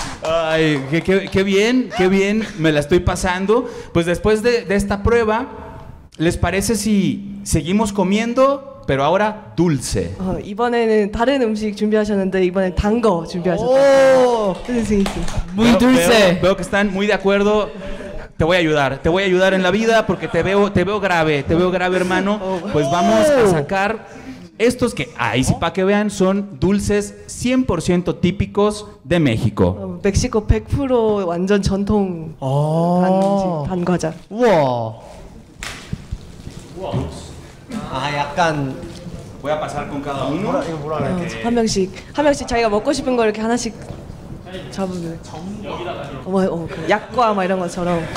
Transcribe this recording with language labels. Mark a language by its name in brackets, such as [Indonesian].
[Spanish] Ay, qué bien, qué bien me la estoy pasando. Pues después de esta prueba, ¿les parece si seguimos comiendo, pero ahora dulce? [Korean] 이번에는 다른 음식 준비하셨는데 이번에 단 거 준비하셨다. [Spanish] Muy dulce. Veo que están muy de acuerdo. Te voy a ayudar. Te voy a ayudar en la vida porque te veo grave, hermano. Pues vamos a sacar Estos que, ahí sí para que vean, son dulces 100% típicos de México. [Korean] México 100% 완전 전통 단과자. Wow. Ah, 약간 [Spanish] voy a pasar con cada uno. [Korean] 한 명씩, 한 명씩 자기가 먹고 싶은 거 이렇게 하나씩 잡으면 여기다가 이렇게 어머, 약과 막 이런 것처럼